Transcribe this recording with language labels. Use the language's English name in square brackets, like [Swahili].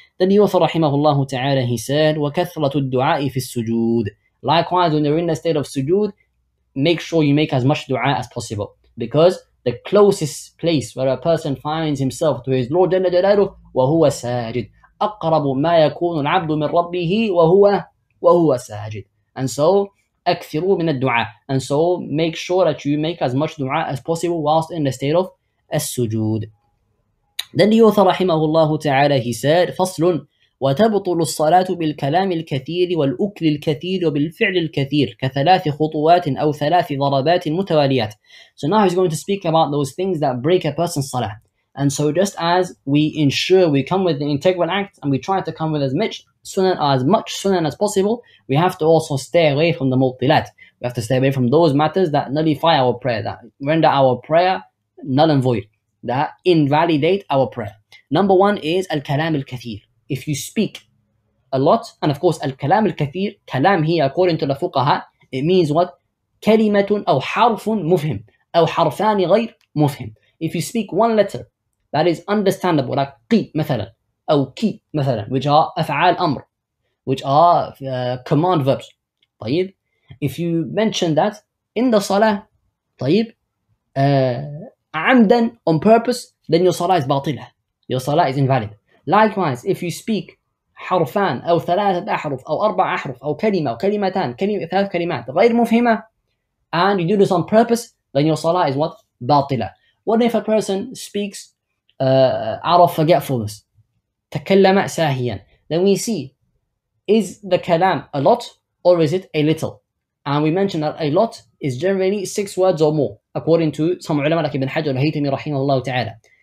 [English] Then the author rahimahullah ta'ala, he said, [Arabic] وَكَثْرَةُ الدُّعَاءِ فِي السُّجُودِ. [English] Likewise, when you're in a state of sujood, make sure you make as much dua as possible. Because the closest place where a person finds himself to his Lord Jalla Jalaluhu, [Arabic] وَهُوَ سَاجِدْ. أَقْرَبُ مَا يَكُونُ الْعَبْدُ مِنْ رَبِّهِ وَهُوَ سَاجِدْ. [English] And so, [Arabic] أَكْثِرُوا مِنَ الدُّعَاءِ. [English] And so, make sure that you make as much dua as possible whilst in the state of السجود. Then the author رحمه الله تعالى, he said, فصل. [Arabic] وتبطل الصلاة بالكلام الكثير والأكل الكثير وبالفعل الكثير كثلاث خطوات أو ثلاث ضربات متواليات. [English] So now he's going to speak about those things that break a person's salah. And so just as we ensure we come with the integral act and we try to come with as much sunan as possible, we have to also stay away from the multilat. We have to stay away from those matters that nullify our prayer, that render our prayer null and void, that invalidate our prayer. Number one is al-kalam al-kathir. If you speak a lot, and of course al-kalam al-kathir, kalam here according to the fuqaha, it means what? [Arabic] Kalimatun aw harfun mufhim aw harfani ghayr mufhim. [English] If you speak one letter that is understandable, like [Arabic] qi mathalan aw ki mathalan, [English] which are af'al amr, which are command verbs, طيب. If you mention that in the salah, طيب, عمدًا, on purpose, then your salah is باطلة. Your salah is invalid. Likewise, if you speak [Arabic] حرفان أو ثلاثة أحرف أو أربع أحرف أو كلمة أو كلمتان كلمة ثلاث كلمات غير مفهمة, [English] and you do this on purpose, then your salah is what? [Arabic] باطلة. [English] What if a person speaks out of forgetfulness, [Arabic] تكلم ساهيا, [English] then we see, is the كلام a lot or is it a little? And we mentioned that a lot is generally six words or more, according to some ulama like Ibn Hajar al-Haytami rahimahullah ta'ala.